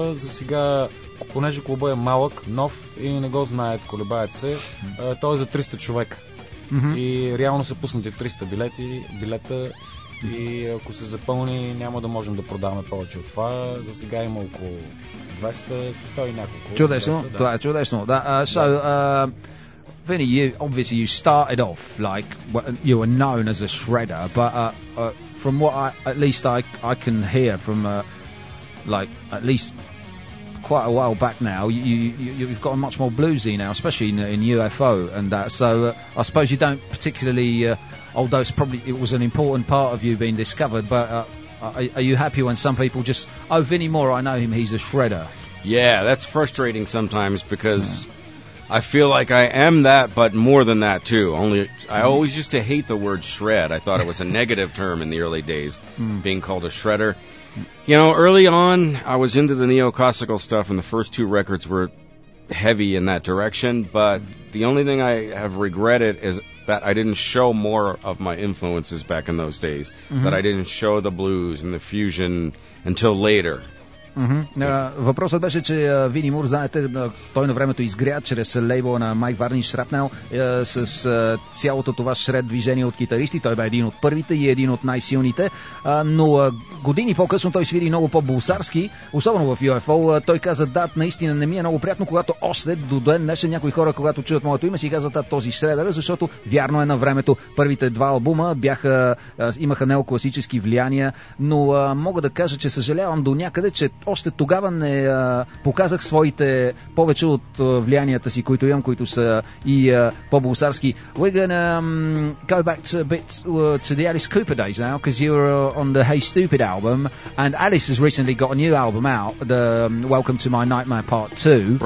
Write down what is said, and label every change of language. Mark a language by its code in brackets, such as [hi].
[bg] За сега, понеже клубът е малък, нов и не го знаят, колебаят се, той е за 300 човека. Mm-hmm. И реално са пуснати 300 билета mm-hmm. и ако се запълни, няма да можем да продаваме повече от това. За сега има около 200 и няколко. Чудесно, 200, да. Това е чудесно. Да, [en] Vinny, obviously you started off like you were known as a shredder, but from what I can hear from like at least quite a while back now, you've gotten much more bluesy now, especially in UFO and that, so I suppose you don't particularly, although it's probably, it was an important part of you being discovered, but are you happy when some people just, oh, Vinny Moore, I know him, he's a shredder? Yeah, that's frustrating sometimes because I feel like I am that, but more than that too. Only I always used to hate the word shred. I thought it was a negative term in the early days, being called a shredder. You know, early on, I was into the neoclassical stuff, and the first two records were heavy in that direction, but the only thing I have regretted is that I didn't show more of my influences back in those days, that I didn't show the blues and the fusion until later. [bg] Въпросът беше, че Вини Мур, знаете, той на времето изгря чрез лейбъла на Майк Варниш Шрапнел с цялото това шред движение от китаристи. Той бе един от първите и един от най-силните. Но години по-късно той свири много по-булсарски, особено в UFO. Той каза, да, наистина не ми е много приятно, когато още до ден днешен някои хора, когато чуят моето име, си казват, този шредър, защото вярно е на времето. Първите два албума бяха, имаха неокласически влияния, но мога да кажа, че съжалявам до някъде, че още тогава не показах своите повече от влиянията си, които имам, които са и по-булсарски. [en] We're gonna go back to a bit to the Alice Cooper days now, because you were on the Hey Stupid album, and Alice has recently got a new album out, the Welcome to My Nightmare Part 2.